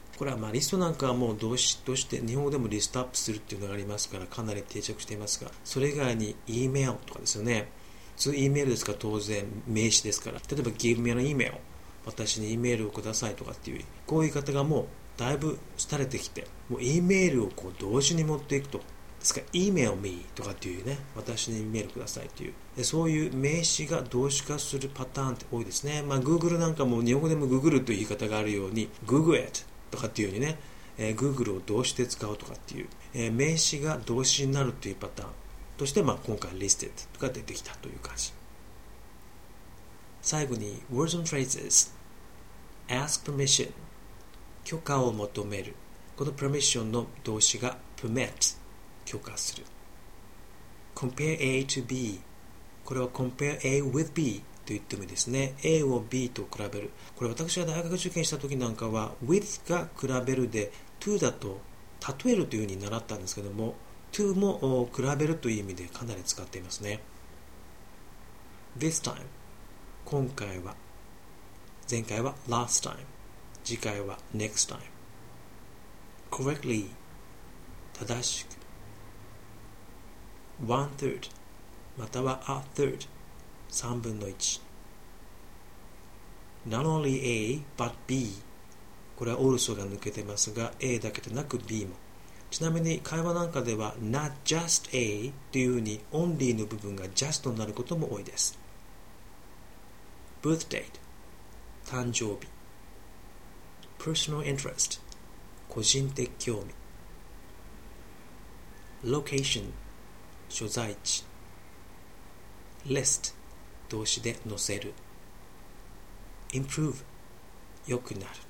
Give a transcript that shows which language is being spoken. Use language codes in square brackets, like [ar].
[ja] これはまあリストなんかはもう動詞として日本語でもリストアップするっていうのがありますからかなり定着していますが、それ以外に E メールとかですよね、普通 E メールですから当然名詞ですから、例えば [en] Give me an email、 [ja] 私に E メールをくださいとかっていう、こういう方がもうだいぶ廃れてきて、もう E メールをこう同時に持っていくと、ですから [en] Email me [ja] とかっていうね、私に E メールくださいっていう、でそういう名詞が動詞化するパターンって多いですね。まあ Google なんかも日本語でも Google という言い方があるように、 [en] Google it [ja] とかっていうようにね、Google を動詞で使うとかっていう、名詞が動詞になるというパターンとして、まあ、今回 listed が出てきたという感じ。最後に [en] words and phrases、 ask permission、 [ja] 許可を求める。この permission の動詞が permit、 許可する。 [en] compare A to B、 [ja] これは [en] compare A with B [ja] と言ってもいいですね。 A を B と比べる、これ私が大学受験した時なんかは With が比べるで To だと例えるというふうに習ったんですけども、 To も比べるという意味でかなり使っていますね。 [en] This time、 [ja] 今回は、前回は [en] Last time、 [ja] 次回は [en] Next time。 [ja] Correctly、 正しく。 One third、 または A third、3分の1。 [en] Not only A but B、 [ja] これはオルソが抜けてますが A だけでなく B も。ちなみに会話なんかでは [en] Not just A [ja] というふうに Only の部分が Just となることも多いです。 [en] Birth date、 [ja] 誕生日。 [en] Personal interest、 [ja] 個人的興味。 Location、 所在地。List、動詞で載せる。 improve、 良くなる。